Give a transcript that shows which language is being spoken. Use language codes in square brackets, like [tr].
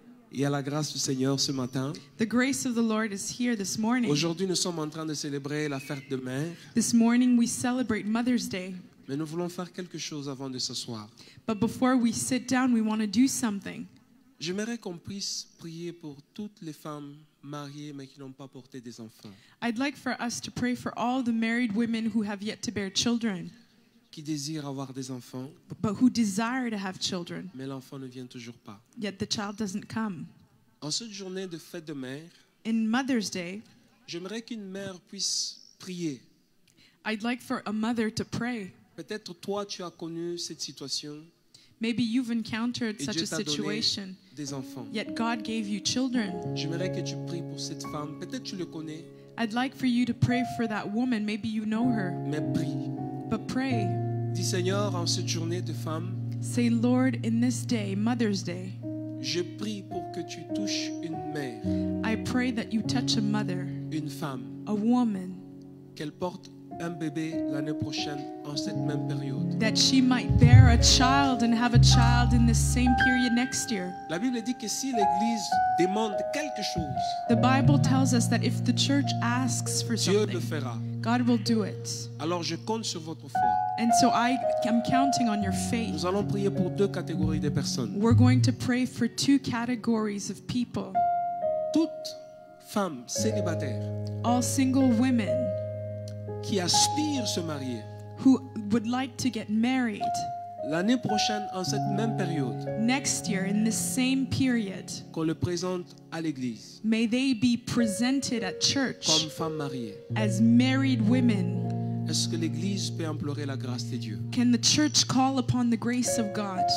[fr] Il y a la grâce du Seigneur ce matin. [en] The grace of the Lord is here this morning. [fr] Aujourd'hui, nous sommes en train de célébrer la fête de mère. [en] This morning, we celebrate Mother's Day. [fr] Mais nous voulons faire quelque chose avant de s'asseoir. [en] But before we sit down, we want to do something. [fr] J'aimerais qu'on puisse prier pour toutes les femmes mariées mais qui n'ont pas porté des enfants. [en] I'd like for us to pray for all the married women who have yet to bear children. [fr] Qui désirent avoir des enfants. [en] But who desire to have children. [fr] Mais l'enfant ne vient toujours pas. [en] Yet the child doesn't come. [fr] En cette journée de fête de mère, [en] in Mother's Day, [fr] j'aimerais qu'une mère puisse prier. [en] I'd like for a mother to pray. [fr] Peut-être toi tu as connu cette situation. [en] Maybe you've encountered such a situation. [fr] Des enfants. [en] Yet God gave you children. [fr] J'aimerais que tu pries pour cette femme. Peut-être tu le connais. [en] I'd like for you to pray for that woman. Maybe you know her. [fr] Mais prie. [en] But pray. [fr] Dis Seigneur en cette journée de femme. [en] Say Lord in this day, Mother's Day. [fr] Je prie pour que tu touches une mère. [en] I pray that you touch a mother. [fr] Une femme. [en] A woman. [fr] Qu'elle porte un bébé l'année prochaine en cette même période. [en] That she might bear a child and have a child in the same period next year. [fr] La Bible dit que si l'église demande quelque chose, [en] the Bible tells us that if the church asks for [fr] Dieu [en] something, [fr] le fera. [en] God will do it. [fr] Alors je compte sur votre foi. [en] And so I am counting on your faith. [fr] Nous allons prier pour deux catégories de personnes. [en] We're going to pray for two categories of people. [fr] Toutes femmes célibataires. [en] All single women. [fr] Qui aspirent se marier. [en] Who would like to get married. [fr] L'année prochaine, en cette même période. [en] Next year, in the same period. [fr] Qu'on le présente à l'église. [en] May they be presented at church. [fr] Comme femmes mariées. [en] As married women. [fr] Est-ce que l'église peut implorer la grâce de Dieu? [en] Can the church call upon the grace of God?